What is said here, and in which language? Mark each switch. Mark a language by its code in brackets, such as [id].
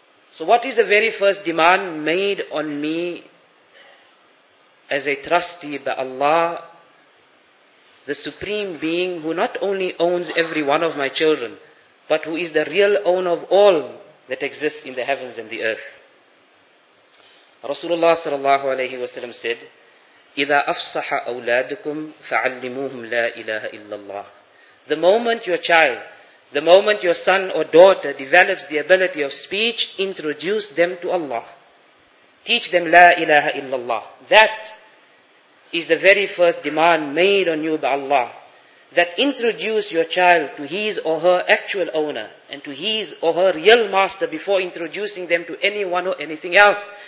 [en] So what is the very first demand made on me as a trustee by Allah, the supreme being who not only owns every one of my children, but who is the real owner of all that exists in the heavens and the earth? [ar] Rasulullah sallallahu alayhi wa sallam said, إِذَا أَفْصَحَ أَوْلَادُكُمْ فَعَلِّمُوهُمْ لَا إِلَهَ إِلَّا اللَّهِ. [en] The moment your child, the moment your son or daughter develops the ability of speech, introduce them to Allah. Teach them La ilaha illallah. That is the very first demand made on you by Allah. That introduce your child to his or her actual owner and to his or her real master before introducing them to anyone or anything else.